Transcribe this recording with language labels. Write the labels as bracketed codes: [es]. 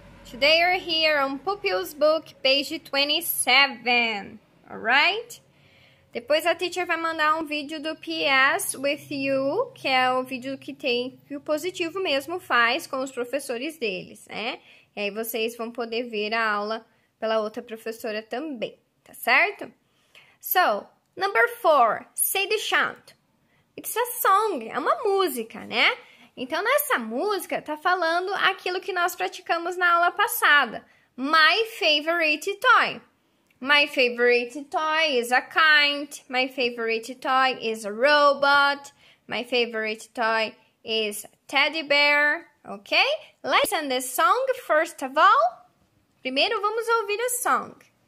[en] Today you're here on Pupil's Book, page 27, alright? [pt] Depois a teacher vai mandar um vídeo do PS with you, que é o vídeo que tem, que o positivo mesmo faz com os professores deles, né? E aí vocês vão poder ver a aula pela outra professora também, tá certo? [en] So, number 4, say the chant. It's a song, [pt] é uma música, né? Então, nessa música, tá falando aquilo que nós praticamos na aula passada. [en] My favorite toy. My favorite toy is a kite. My favorite toy is a robot. My favorite toy is a teddy bear. Ok? Let's listen the song first of all. [pt] Primeiro, vamos ouvir a song.